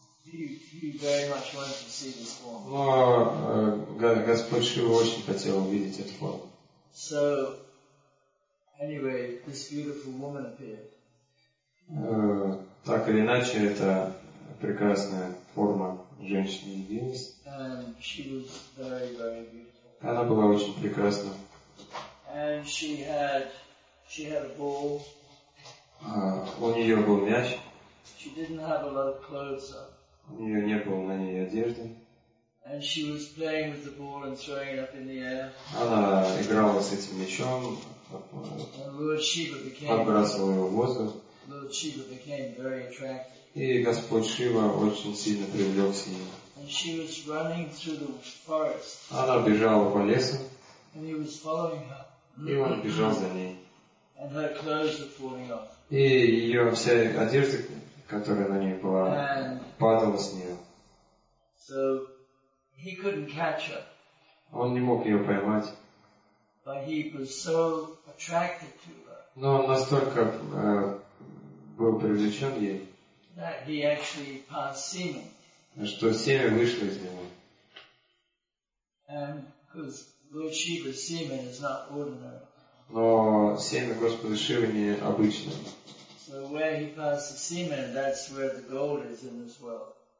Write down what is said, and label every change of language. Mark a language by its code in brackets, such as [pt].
[en] He very much wanted to see this form. [ru] Но Господь Шива очень хотел увидеть эту форму. [en] So, anyway, this beautiful woman appeared. [ru] Так или иначе, это прекрасная форма женщины явилась. [en] And she was very, very beautiful. [ru] Она была очень прекрасна. [en] And she had a ball. [ru] У нее был мяч. [en] She didn't have a lot of clothes on. [ru] У нее не было на ней одежды. [en] And she was playing with the ball and throwing it up in the air. [ru] Она играла с этим мячом. [en] And Lord Shiva became. [ru] Подбрасывала его в воздух. [en] Lord Shiva became very attractive. [ru] И Господь Шива очень сильно привлек с ней. [en] And she was running through the forest. [ru] Она бежала по лесу. [en] And he was following her. [ru] И он бежал за ней. [en] And her clothes were falling off. [ru] И ее вся одежда, которая на ней была, [en] and [ru] падала с нее. [en] So he couldn't catch her. [ru] Он не мог ее поймать. [en] But he was so attracted to her. [ru] Но он настолько был привлечен ей, [en] that he actually passed semen. [ru] Что семя вышло из него. [en] And Lord Shiva's semen is not ordinary. [ru] Но семя Господа Шивы не обычное. [en] So where he passed the semen, that's where the gold is in this world.